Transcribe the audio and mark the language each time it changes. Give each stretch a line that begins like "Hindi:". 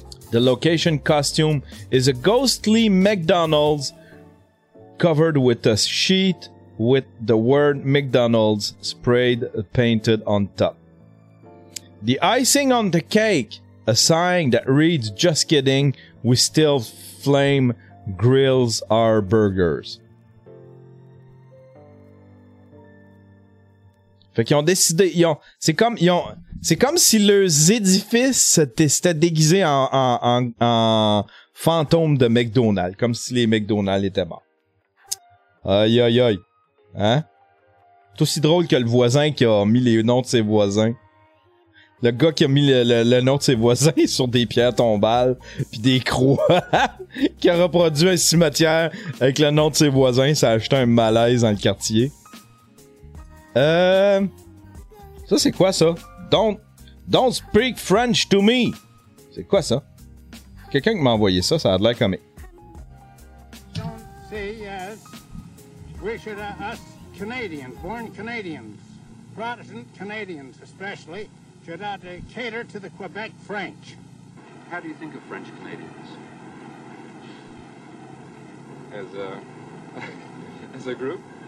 English: The location costume is a ghostly McDonald's covered with a sheet with the word McDonald's sprayed painted on top. The icing on the cake, a sign that reads, just kidding, we still flame grills our burgers.
French: Fait qu'ils ont décidé, c'est comme si leurs édifices s'étaient déguisés en fantômes de McDonald's, comme si les McDonald's étaient morts. Aïe, aïe, aïe. Hein? C'est aussi drôle que le voisin qui a mis les noms de ses voisins. Le gars qui a mis le nom de ses voisins sur des pierres tombales pis des croix qui a reproduit un cimetière avec le nom de ses voisins, ça a acheté un malaise dans le quartier. Ça, c'est quoi, ça?
English: Don't speak French to me!
French: C'est quoi, ça? Quelqu'un qui m'a envoyé ça, ça a l'air comme...
English: Don't say yes. We should us Canadians, born Canadians, Protestant Canadians especially, should not cater to the Quebec French. How do you think of French Canadians? As a group?